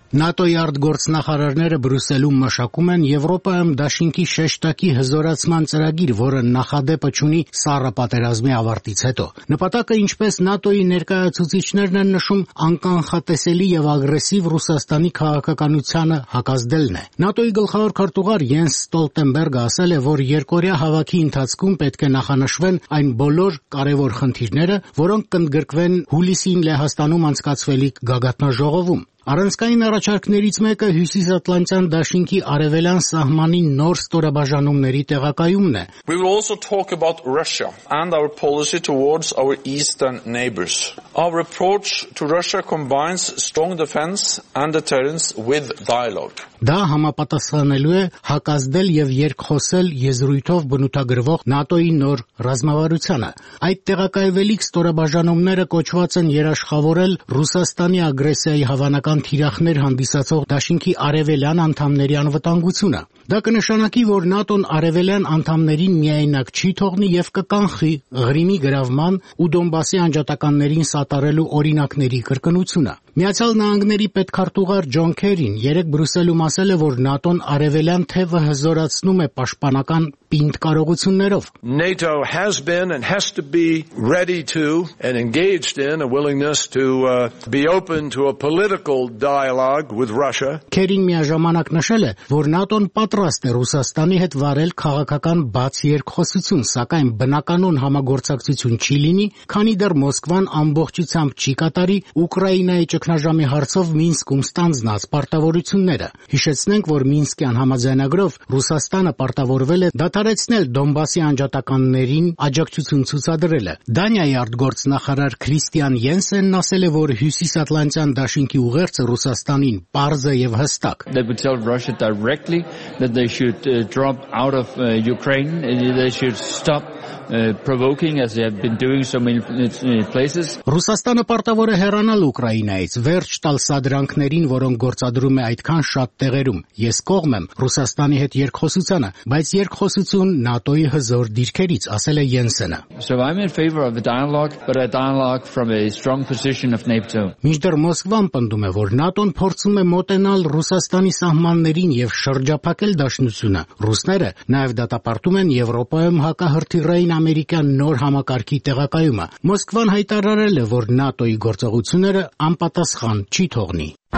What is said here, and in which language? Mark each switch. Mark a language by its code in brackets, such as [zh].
[hy] ՆԱՏՕ-ի արտգործնախարարները Բրյուսելում մշակում են Եվրոպայում դաշինքի շեշտակի հզորացման ծրագիր, որը նախադեպը ունի սառը պատերազմի ավարտից հետո։ Նպատակը, ինչպես ՆԱՏՕ-ի ներկայացուցիչներն են նշում, անկանխատեսելի և ագրեսիվ Ռուսաստանի քաղաքականությանը հակազդելն է։ ՆԱՏՕ-ի գլխավոր քարտուղար Յենս Ստոլտենբերգը ասել է, որ երկօրյա հավաքի ընթացքում պետք է նախանշվեն այն բոլոր կարևոր խնդիրները, որոնք կընդգրկվեն հուլիսին Լեհաստանում անցկացվելիք գագաթնաժողովում։ Առանցքային առաջարկներից մեկը հյուսիսատլանտյան դաշինքի արևելյան սահմանի նոր ստորաբաժանումների տեղակայումն է. [en] We will also talk about Russia and our policy towards our eastern neighbors. Our approach to Russia combines strong defense and deterrence with dialogue. [hy] Դա համապատասխանելու է հակազդել եւ երկխոսել եզրույթով բնութագրվող ՆԱՏՕ-ի նոր ռազմավարությանը։ Այդ տեղակայվելիք ստորաբաժանումները կոչված են երաշխավորել Ռուսաստանի ագրեսիայի հավանական թիրախներ հանդիսացող դաշինքի արևելյան անդամների անվտանգությունը։ Դա կնշանակի, որ ՆԱՏՕ-ն արևելյան անդամներին միայնակ չի թողնի եւ կկանխի Ղրիմի գրավման ու Դոնբասի անջատականներին սատարելու օրինակների կրկնությունը։ Միացյալ Նահանգների պետքարտուղար Ջոն Քերին երեկ Բրյուսելում ասել է, որ ՆԱՏՕ-ն արևելյան թևը հզորացնում է պաշտպանական պինդ կարողություններով. [en] NATO has been and has to be ready to and engaged in a willingness to be open to a political dialogue with Russia. [hy] Քերին միաժամանակ նշել է, որ ՆԱՏՕ-ն պատրաստ է Ռուսաստանի հետ վարել քաղաքական բաց երկխոսություն, սակայն բնականոն համագործակցություն չի լինի, քանի դեռ Մոսկվան ամբողջությամբ չի կատարի Ուկրաինայի ճգնաժամի հարցով Մինսկում ստանձնած պարտավորությունները։ Հիշեցնենք, որ Մինսկյան համաձայնագրով Ռուսաստանը պարտավորվել է դադարեցնել Դոնբասի անջատականներին աջակցություն ցուցադրելը։ Դանիայի արտգործնախարար Քրիստիան Յենսենն ասել է, որ հյուսիսատլանտյան դաշինքի ուղերձը Ռուսաստանին պարզ է եւ հստակ։ [en] That they should drop out of Ukraine, they should stop provoking as they have been doing so many places. [hy] Ռուսաստանը պարտավոր է հեռանալ Ուկրաինայից, վերջ տալ սադրանքներին, որոնք գործադրում է այդքան շատ տեղերում։ Ես կողմ եմ Ռուսաստանի հետ երկխոսությանը, բայց երկխոսություն ՆԱՏՕ-ի հզոր դիրքերից, ասել է Յենսենը։ [en] So I'm in favor of the dialogue, but a dialogue from a strong position of NATO. [hy] Մինչդեռ Մոսկվան պնդում է, որ ՆԱՏՕ-ն փորձում է մոտենալ Ռուսաստանի սահմաններին եւ շրջափակել դաշնությունը։ Ռուսները նաև դատապարտում են Եվրոպայում հակահրթիռային ամերիկյան նոր համակարգի տեղակայումը։ Մոսկվան հայտարարել է, որ ՆԱՏՕ-ի գործողությունները անպատասխան չի թողնի։